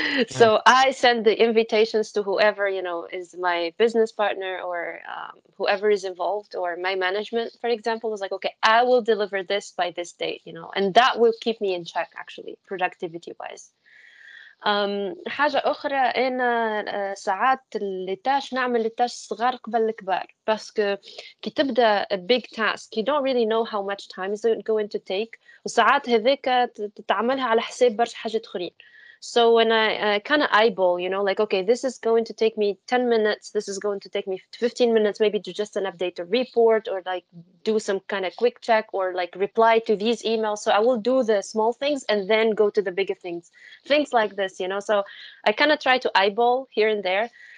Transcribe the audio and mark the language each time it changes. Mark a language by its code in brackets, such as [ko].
[en] So I send the invitations to whoever, you know, is my business partner or whoever is involved or my management, for example, is like, okay, I will deliver this by this date, you know, and that will keep me in check, actually, productivity-wise. [ar] حاجة أخرى أنا ساعات لتاش نعمل لتاش صغار قبل الكبار بس كي تبدأ [en] a big task you don't really know how much time is it going to take [ar] وساعات هذيك تتعملها على حساب برش حاجة تخرين [en] So when I kind of eyeball, you know, like, okay, this is going to take me 10 minutes. This is going to take me 15 minutes, maybe to just an update a report or like do some kind of quick check or like reply to these emails. So I will do the small things and then go to the bigger things, things like this, you know. So I kind of try to eyeball here and there.